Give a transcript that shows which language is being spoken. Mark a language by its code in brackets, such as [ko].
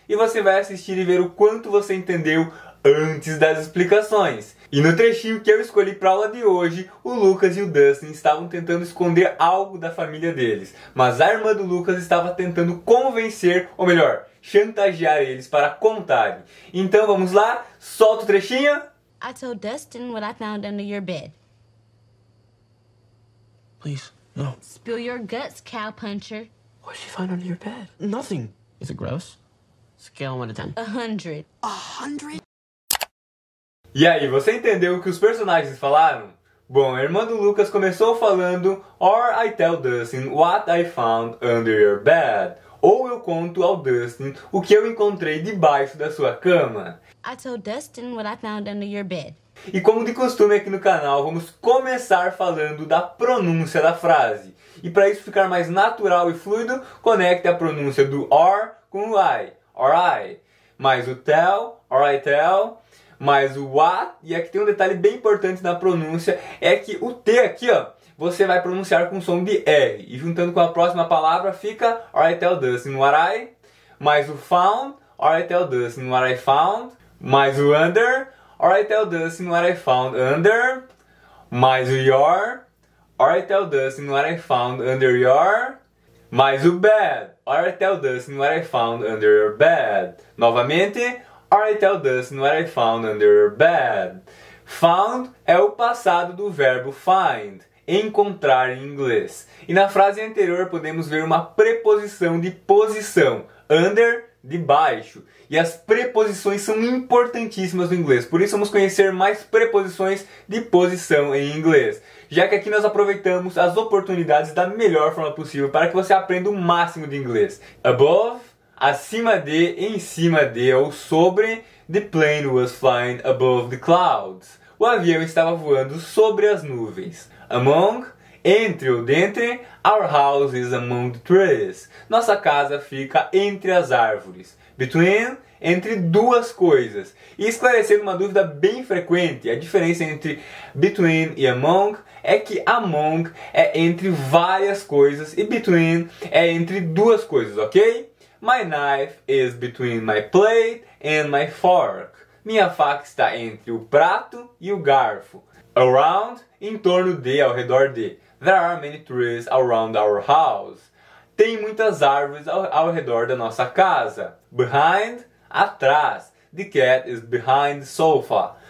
[pt] E você vai assistir e ver o quanto você entendeu antes das explicações. E no trechinho que eu escolhi para a aula de hoje, o Lucas e o Dustin estavam tentando esconder algo da família deles. Mas a irmã do Lucas estava tentando convencer, ou melhor, chantagear eles para contarem. Então vamos lá, solta o trechinho. [en] I told Dustin what I found under your bed. Please, no. Spill your guts, cowpuncher. What did you find under your bed? Nothing. Is it gross? Scale 1 to 10. 100. 100? [pt] E aí, você entendeu o que os personagens falaram? Bom, a irmã do Lucas começou falando [en] "Or I tell Dustin what I found under your bed." [pt] Ou eu conto ao Dustin o que eu encontrei debaixo da sua cama. [en] I told Dustin what I found under your bed. [pt] E como de costume aqui no canal, vamos começar falando da pronúncia da frase. E para isso ficar mais natural e fluido, conecte a pronúncia do or com o I. [en] Or I. [pt] Mais o tell, [en] or I tell. [pt] Mais o what. E aqui tem um detalhe bem importante na pronúncia, é que o T aqui, ó, você vai pronunciar com som de R. E juntando com a próxima palavra fica [en] or I tell Dustin what I. [pt] Mais o found, [en] or I tell Dustin what I found. [pt] Mais o under, [en] or I tell Dustin what I found under. [pt] Mais o your, [en] or I tell Dustin what I found under your. [pt] Mais o bed, [en] or I tell Dustin what I found under your bed. [pt] Novamente, [en] or I tell Dustin what I found under your bed. [pt] Found é o passado do verbo find, encontrar em inglês. E na frase anterior podemos ver uma preposição de posição, under, de baixo. E as preposições são importantíssimas no inglês, por isso vamos conhecer mais preposições de posição em inglês, já que aqui nós aproveitamos as oportunidades da melhor forma possível para que você aprenda o máximo de inglês. Above, acima de, em cima de ou sobre. [en] The plane was flying above the clouds. [pt] O avião estava voando sobre as nuvens. [en] Among, [pt] entre ou dentre. [en] Our house is among the trees. [pt] Nossa casa fica entre as árvores. Between, entre duas coisas. E esclarecendo uma dúvida bem frequente, a diferença entre between e among é que among é entre várias coisas e between é entre duas coisas, ok? [en] My knife is between my plate and my fork. [pt] Minha faca está entre o prato e o garfo. [en] Around, [pt] em torno de, ao redor de. [en] There are many trees around our house. [pt] Tem muitas árvores ao redor da nossa casa. [en] Behind, atrás. The cat is behind the sofa.